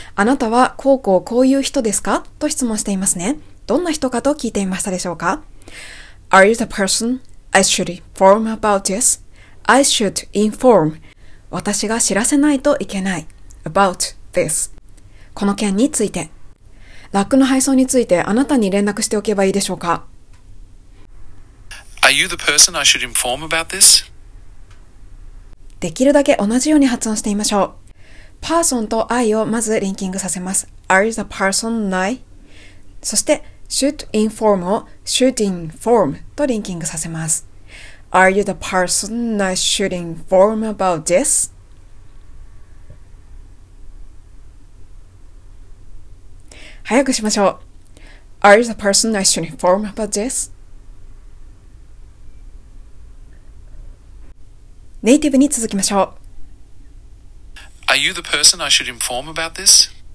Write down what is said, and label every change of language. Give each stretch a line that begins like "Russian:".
Japanese: あなたはこうこうこういう人ですか?と質問していますね。どんな人かと聞いていましたでしょうか?
English: Are you the person I should inform about this? I should inform.
Japanese: 私が知らせないといけない。
English: About this.
Japanese: この件について。ラックの配送についてあなたに連絡しておけばいいでしょうか。
English: Are you the person I should inform about this?
Japanese: できるだけ同じように発音してみましょう。パーソンと I をまずリンキングさせます。
English: Are you the person I?
Japanese: そして
English: should inform を should inform
Japanese: とリンキングさせます。
English: Are you the person I should inform about this?
Japanese: 早くしましょう。
English: Are you the person I should inform about this?
Japanese: ネイティブに続きましょう。
English: Are you the person I should inform about this?